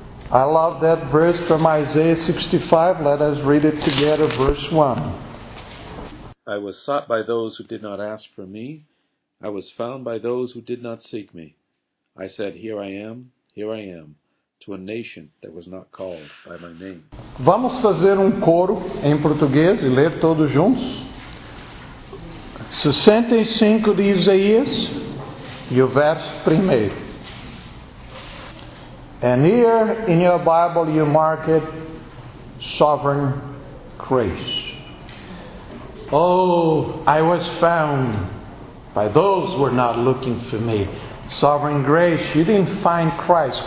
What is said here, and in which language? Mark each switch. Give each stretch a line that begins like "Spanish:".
English: I love that verse from Isaiah 65. Let us read it together, verse 1. I was sought by those who did not ask for me. I was found by those who did not seek me. I said, here I am, here I am, to a nation that was not called by my name.
Portuguese: Vamos fazer coro em português e ler todos juntos. 65 de Isaías e o verso primeiro.
English: And here in your Bible you mark it, sovereign grace. Oh, I was found by those who were not looking for me. Sovereign grace, you didn't find Christ.